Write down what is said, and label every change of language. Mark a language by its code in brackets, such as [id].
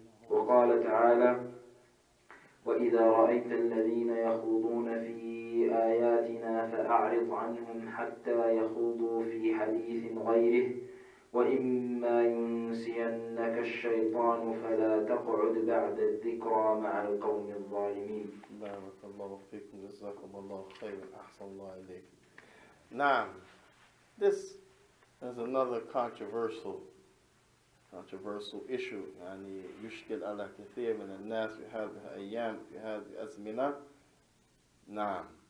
[ar] وقال تعالى وإذا رأيت الذين يخوضون في آياتنا فأعرض عنهم حتى يخوضوا في حديث غيره وإما ينسينك الشيطان فلا تقعد بعد الذكرى مع القوم الظالمين. بارك الله فيكم جزاكم الله خير أحسن الله إليك. [en] Now, this is another controversial issue. [ar] يعني يشكل على كثير من الناس في هذه الأيام في هذه الأزمنة. نعم.